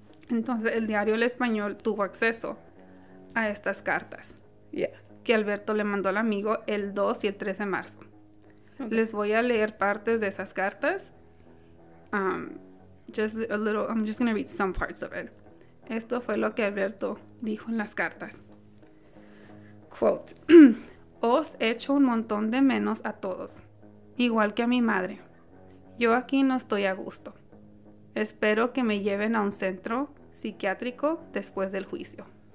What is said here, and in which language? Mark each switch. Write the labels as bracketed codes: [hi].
[es] Entonces, el diario El Español tuvo acceso a estas cartas. [en] Yeah. [es] Que Alberto le mandó al amigo el 2 y el 3 de marzo. Okay. Les voy a leer partes de esas cartas. [en] I'm just going to read some parts of it. [es] Esto fue lo que Alberto dijo en las cartas. Quote. Os echo un montón de menos a todos. Igual que a mi madre. Yo aquí no estoy a gusto. Espero que me lleven a un centro psiquiátrico después del juicio.